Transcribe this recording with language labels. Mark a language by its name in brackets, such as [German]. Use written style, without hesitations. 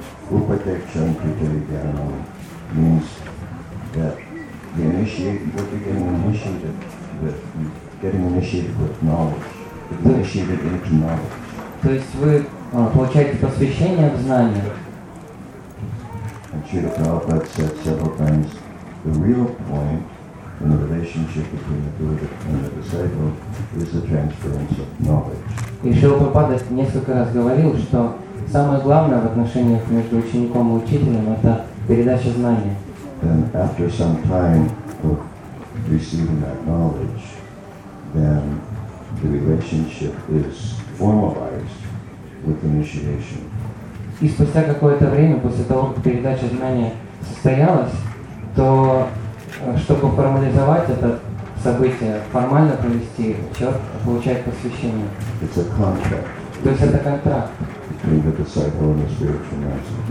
[English] Upadekshanti means that the initiate, what you can initiate, that getting initiated with knowledge. To initiate it into knowledge. [Russian] То есть вы получаете посвящение в знания. [English] And Śrīla Prabhupāda said several times, the real point in the relationship between the Buddha and the disciple is the transference of knowledge. [Russian] И Шрила Прабхупада несколько раз говорил, что самое главное в отношениях между учеником и учителем – это передача знания. [English] Then after some time of receiving that knowledge, then the relationship is formalized with initiation. [Russian] И спустя какое-то время после того, как передача знания состоялась, то чтобы формализовать это событие, формально провести, человек получает посвящение. [English] It's a contract. [Russian] То есть это контракт [English] between the disciple and the spiritual master.